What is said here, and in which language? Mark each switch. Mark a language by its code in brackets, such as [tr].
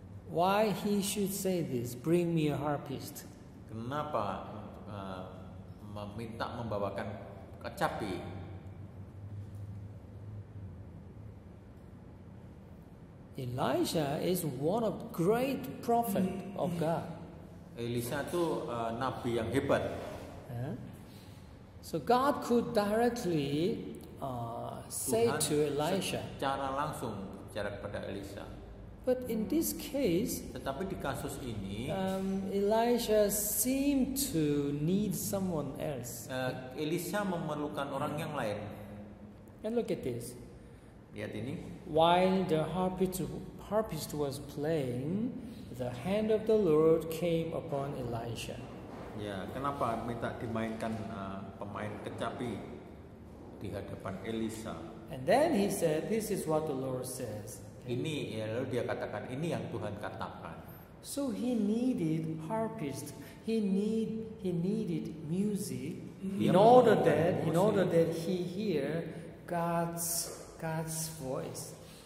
[en] Why he should say this? Bring me a harpist. [id] Kenapa meminta membawakan kecapi? [en] Elisha is one of great prophet of God. [id] Elisa itu nabi yang hebat. [en] So God could directly say [id] Tuhan [en] to Elisha. [id] Secara langsung bicara kepada Elisa. [en] But in this case, [id] tetapi di kasus ini, [en] Elisha seemed to need someone else. [id] Elisa memerlukan orang yang lain. [en] And look at this. [id] Lihat ini. [en] While the harpist was playing, the hand of the Lord came upon Elisha. [id] Ya, kenapa minta dimainkan pemain kecapi di hadapan Elisa? [en] And then he said, "This is what the Lord says." [id] Ini ya, lalu dia katakan ini yang Tuhan katakan. [en] So he needed harpist. He needed music in order that he hear God's voice.